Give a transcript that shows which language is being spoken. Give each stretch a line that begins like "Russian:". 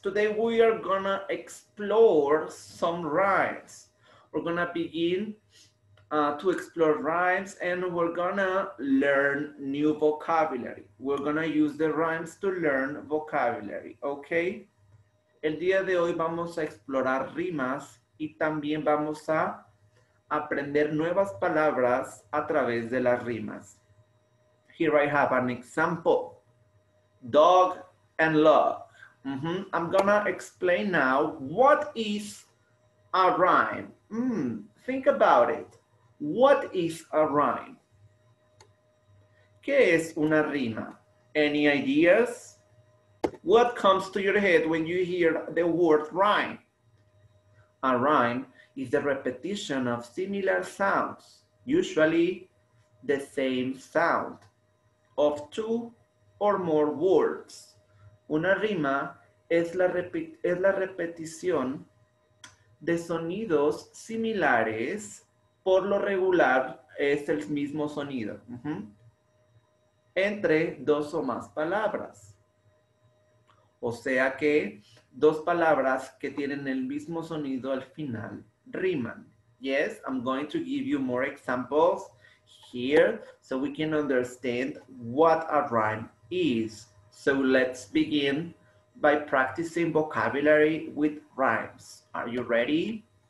English: Today we are gonna explore some rhymes. We're gonna begin to explore rhymes and we're gonna learn new vocabulary. We're gonna use the rhymes to learn vocabulary, okay?
Spanish: El día de hoy vamos a explorar rimas y también vamos a aprender nuevas palabras a través de las rimas.
English: Here I have an example. Dog and log. I'm gonna explain now what is a rhyme. Think about it. What is a rhyme?
Spanish: ¿Qué es una rima?
English: Any ideas? What comes to your head when you hear the word rhyme? A rhyme is the repetition of similar sounds, usually the same sound, of two or more words.
Spanish: Una rima es la repetición de sonidos similares. Por lo regular es el mismo sonido. Entre dos o más palabras. O sea que dos palabras que tienen el mismo sonido al final riman.
English: Yes, I'm going to give you more examples here so we can understand what a rhyme is. So let's begin by practicing vocabulary with rhymes. Are you ready?